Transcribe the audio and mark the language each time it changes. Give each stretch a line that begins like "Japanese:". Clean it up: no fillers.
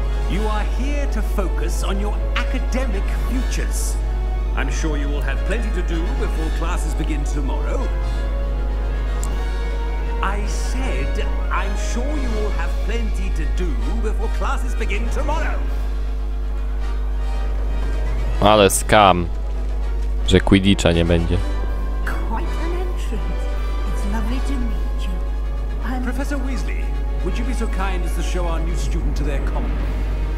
English: You are here to focus on your academic futures. I'm sure you will have plenty to do before classes begin tomorrow. I said, I'm sure you all have plenty to do before classes begin tomorrow.
Polish: Ale skam, że Quidditcha nie będzie.
English: Quite an entrance. It's lovely to meet you. I'm... Professor Weasley, would you be so kind as to show our new student to their common room?